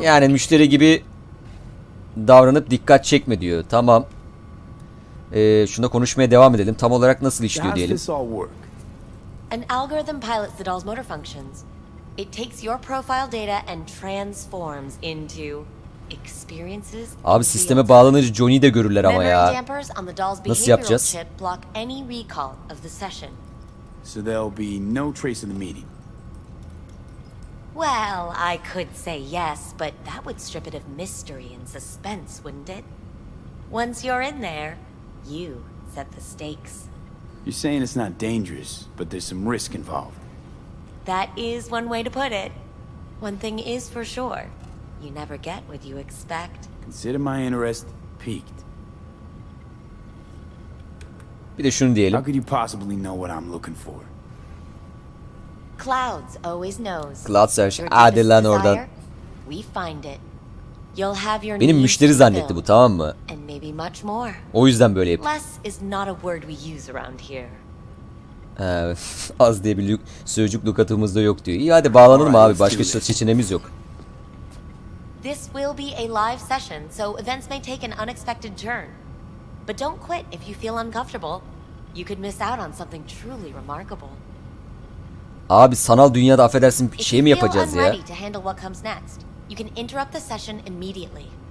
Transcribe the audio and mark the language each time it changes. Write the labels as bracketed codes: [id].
[tr] Yani müşteri gibi davranıp dikkat çekme diyor. Tamam. Şuna konuşmaya devam edelim. Tam olarak nasıl işliyor diyelim. [en] An algorithm pilots the doll's motor functions. It takes your profile data and transforms into experiences. [tr] Abi sisteme bağlanınca Johnny'yi de görürler ama ya. Nasıl yapacağız? [en] Block any recall of the session. So there'll be no trace of the meeting. Well, I could say yes, but that would strip it of mystery and suspense, wouldn't it? Once you're in there, you set the stakes. You're saying it's not dangerous, but there's some risk involved. That is one way to put it. One thing is for sure. You never get what you expect. Consider my interest piqued. [tr] Bir de şunu diyelim. [en] How could you possibly know what I'm looking for? Clouds always knows. Clouds search. [tr] Hadi lan oradan. [en] We find it. You'll have your [tr] benim müşteri zannetti bu tamam mı? [en] And maybe much more. [tr] O yüzden böyle yapayım. [en] Less is not a word we use around here. [tr] Az diye bir sözcük lukatımız da yok diyor. İyi hadi bağlanalım abi. Başka seçeneğimiz yok. [en] This will be a live session, so events may take an unexpected turn. But don't quit if you feel uncomfortable. You could miss out on something truly remarkable. [tr] Abi sanal dünyada affedersin şey mi yapacağız ya? [en] To handle what comes next, you can interrupt the session immediately.